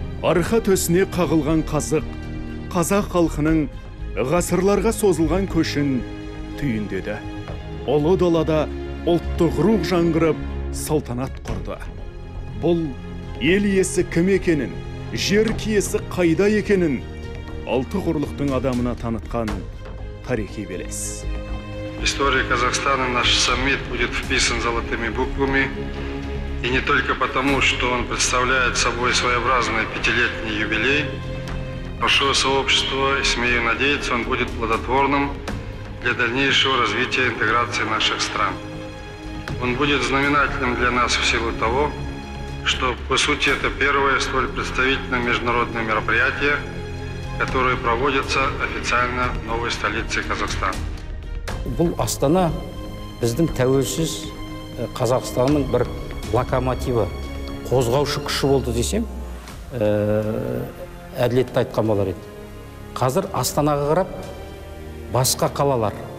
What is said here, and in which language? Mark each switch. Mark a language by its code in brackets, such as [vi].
[kk] Арқа төсіне қағылған қазық қазақ халқының ғасырларға созылған көшін түйіндеді. Ұлы далада ұлттық рух жаңғырып, салтанат құрды. Бұл ел иесі кім екенін, жер киесі қайда екенін алты құрлықтың адамына танытқан тарихи белес. [ru] История Казахстана, наш саммит, будет вписан золотыми буквами. И не только потому, что он представляет собой своеобразный пятилетний юбилей, большое сообщество, и смею надеяться, он будет плодотворным для дальнейшего развития интеграции наших стран. Он будет знаменательным для нас в силу того, что, по сути, это первое столь представительное международное мероприятие, которое проводится официально в новой столице Казахстана. [kk] Был Астана, біздің тәуелсіз Казахстанның бір локомотивы, қозғаушы күші болды десем, әділетті айтқан болар еді. Қазір Астанаға қарап, басқа қалалар,